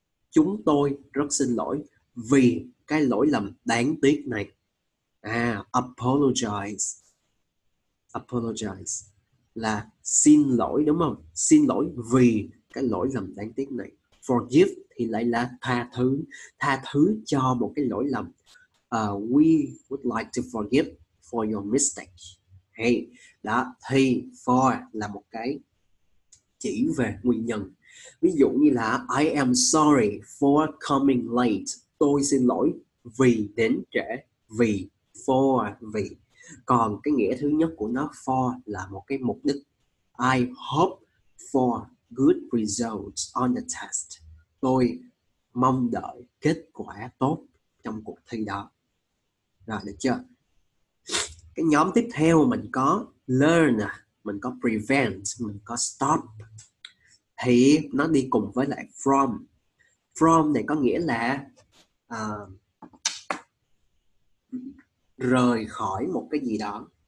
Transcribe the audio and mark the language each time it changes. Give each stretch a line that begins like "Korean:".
Vietnamese: Chúng tôi rất xin lỗi vì cái lỗi lầm đáng tiếc này. À, apologize. Apologize là xin lỗi đúng không? Xin lỗi vì cái lỗi lầm đáng tiếc này. Forgive thì lại là tha thứ. Tha thứ cho một cái lỗi lầm.
English: We would like to forgive for your mistake.
Vietnamese: Hey, đó thì for là một cái chỉ về nguyên nhân. Ví dụ như là
English: I am sorry for coming late.
Vietnamese: Tôi xin lỗi vì đến trễ. Vì for vì. Còn cái nghĩa thứ nhất của nó for là một cái mục đích.
English: I hope for good results on the test.
Vietnamese: Tôi mong đợi kết quả tốt trong cuộc thi đó. Rồi được chưa? Cái nhóm tiếp theo mình có learn, mình có prevent, mình có stop. Thì nó đi cùng với lại from. From này có nghĩa là rời khỏi một cái gì đó.